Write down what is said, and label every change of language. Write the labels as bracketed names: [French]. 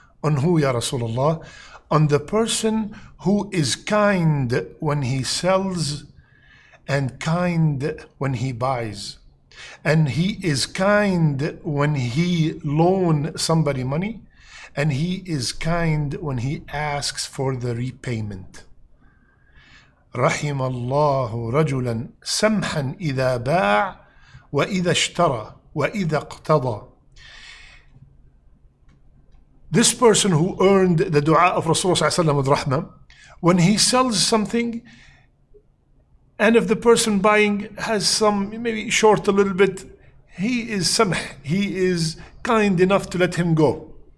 [English] On who, ya Rasulullah? On the person who is kind when he sells and kind when he buys. And he is kind when he loans somebody money. And he is kind when he asks for the repayment. [Arabic] رحم الله رجلا سمحا إذا باع وإذا اشترى وإذا اقتضى. [English] This person who earned the dua of Rasulullah ﷺ with rahma, when he sells something, and if the person buying has some, maybe short a little bit, he is samh, he is kind enough to let him go.